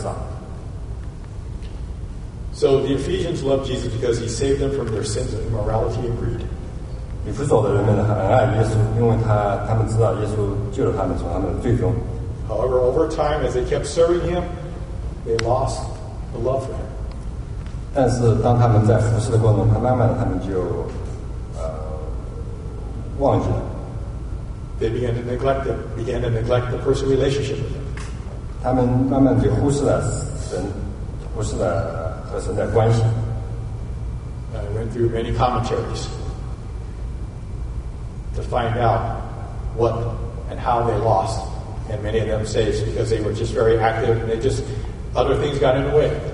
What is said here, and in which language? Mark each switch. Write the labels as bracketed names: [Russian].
[Chinese] 在路加福音也提到，这个那赦免少了，他的爱就少。 [English] So the Ephesians loved Jesus because he saved them from their sins of immorality and greed. [Chinese] 以弗所的人们很爱耶稣，因为他们知道耶稣救了他们从他们的罪中。 [English] However, over time, as they kept serving him, they lost the love for him. [Chinese] 但是当他们在服侍的过程中，他慢慢的他们就忘记了。 [English] They began to neglect them, began to neglect the personal relationship with them. [Chinese] 他们慢慢就忽视了神，忽视了和神的关系。 [English] I went through many commentaries to find out what and how they lost, and many of them say it's because they were just very active and they just other things got in the way.